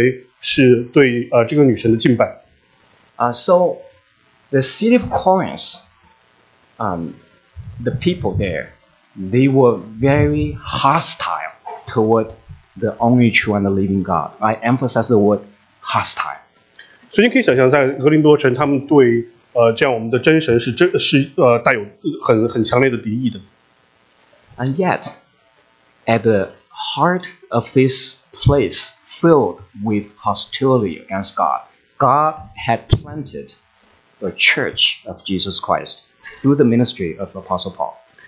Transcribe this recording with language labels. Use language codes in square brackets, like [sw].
[zh] 所以你可以想就是在那个时候呢,大概就是这些人,他们会去这个庙里面去与他们这个庙祭行淫行,然后在历史上有记载就是说他们的庙祭大概会超过1000人,他们认为这样的行为是对这个女神的敬拜。 [en] So the city of Corinth, the people there, they were very hostile toward the only true and the living God. I emphasize the word hostile. [zh] 所以你可以想象在格林多城,他们对这样我们的真神是带有很强烈的敌意的。 [en] And yet, at the heart of this place filled with hostility against God, God had planted the church of Jesus Christ through the ministry of Apostle Paul.